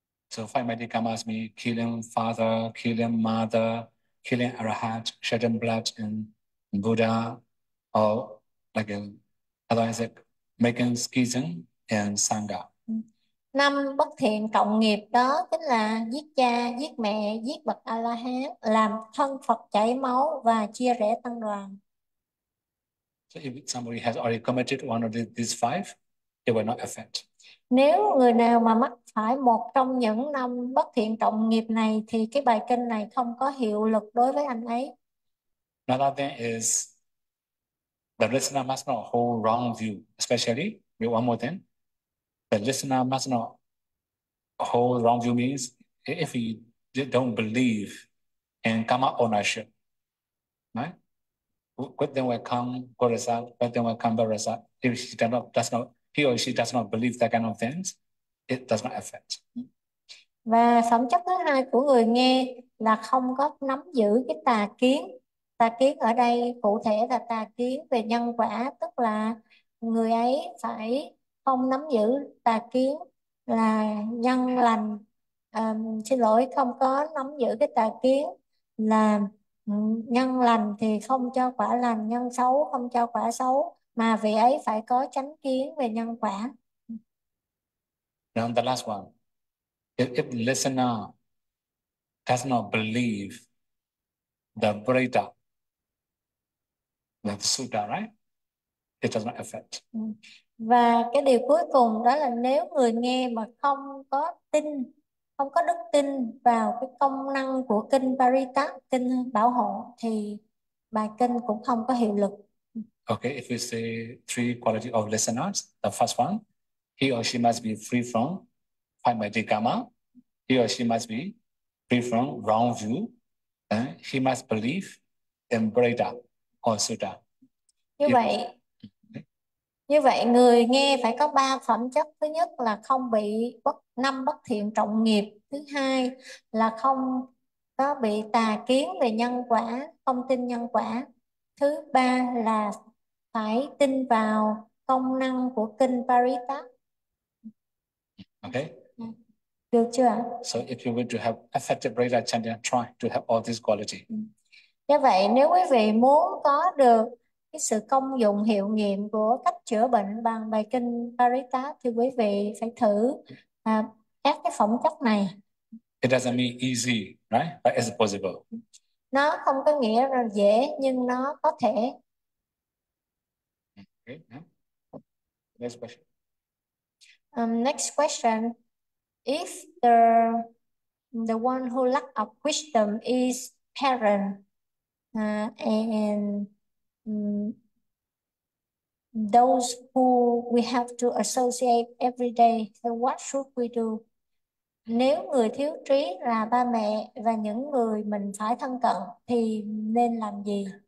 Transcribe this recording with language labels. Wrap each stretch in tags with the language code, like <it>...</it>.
<en>So five mighty kammas mean killing father, killing mother, killing arahat, shedding blood in Buddha, or like a otherwise like making schism and sangha.</en> <vi>Năm bất thiện trọng nghiệp đó chính là giết cha, giết mẹ, giết bậc A-la-hán, làm thân Phật chảy máu và chia rẽ tăng đoàn.</vi> <en>So if somebody has already committed one of these five, it will not affect.</en> <vi>Nếu người nào mà mắc phải một trong những năm bất thiện trọng nghiệp này thì cái bài kinh này không có hiệu lực đối với anh ấy.</vi> <en>Another thing is the listener must not hold wrong view, especially, one more thing, the listener must not whole wrong view means if we don't believe in karma ownership, right? Good thing will come good result, bad thing will come bad result. If she does not, he or she does not believe that kind of things, it does not affect.</en> <vi>Và phẩm chất thứ hai của người nghe là không có nắm giữ cái tà kiến. Tà kiến ở đây cụ thể là tà kiến về nhân quả, tức là người ấy phải không nắm giữ tà kiến là nhân lành. Xin lỗi, không có nắm giữ cái tà kiến là nhân lành thì không cho quả lành, nhân xấu không cho quả xấu, mà vị ấy phải có chánh kiến về nhân quả.</vi> <en>Now the last one, if listener does not believe the Buddha, the Sutta, right? It does not affect.</en> <vi>Và cái điều cuối cùng đó là nếu người nghe mà không có đức tin vào cái công năng của kinh Paritát, kinh bảo hộ, thì bài kinh cũng không có hiệu lực.</vi> <en>Okay, if we say three quality of listeners, the first one, he or she must be free from five-mighty karma. He or she must be free from wrong view. He must believe in Buddha or Sutta.</en> <vi>Như vậy người nghe phải có ba phẩm chất. Thứ nhất là không bị bất năm bất thiện trọng nghiệp, thứ hai là không có bị tà kiến về nhân quả, không tin nhân quả, thứ ba là phải tin vào công năng của kinh Paritát.</vi> <en>Okay.</en> <vi>Được chưa ạ?</vi> <en>So if you want to have effective radar channel, try to have all this quality.</en> <vi>Như vậy nếu quý vị muốn có được cái sự công dụng hiệu nghiệm của cách chữa bệnh bằng bài kinh Paritá thì quý vị phải thử các cái phẩm chất này.</vi> <en>It doesn't mean easy, right? But it's possible.</en> <vi>Nó không có nghĩa là dễ nhưng nó có thể.</vi> <en>Okay. Next question. Next question. If the one who lack of wisdom is parent and those who we have to associate every day, so what should we do?</en> <vi>Nếu người thiếu trí là ba mẹ và những người mình phải thân cận thì nên làm gì?</vi>